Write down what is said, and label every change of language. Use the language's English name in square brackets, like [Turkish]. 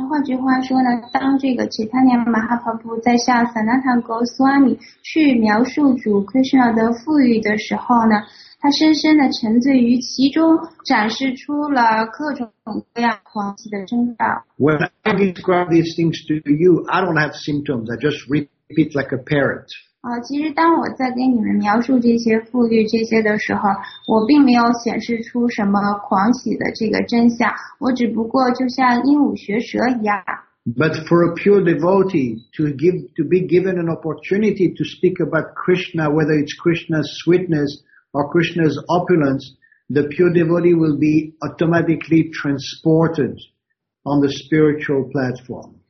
[Chinese] 换句话说呢，当这个 Chaitanya Mahaprabhu 在向 Sanatan Goswami 去描述主 Krishna 的富裕的时候呢，他深深的沉醉于其中，展示出了各种各样狂喜的征兆。 [English] When I describe these things to you, I don't have symptoms. I just repeat like a parrot. [Chinese] 其实当我在给你们描述这些富裕这些的时候，我并没有显示出什么狂喜的这个真相，我只不过就像鹦鹉学舌一样。 [English] But for a pure devotee to be given an opportunity to speak about Krishna, whether it's Krishna's sweetness or Krishna's opulence, the pure devotee will be automatically transported on the spiritual platform.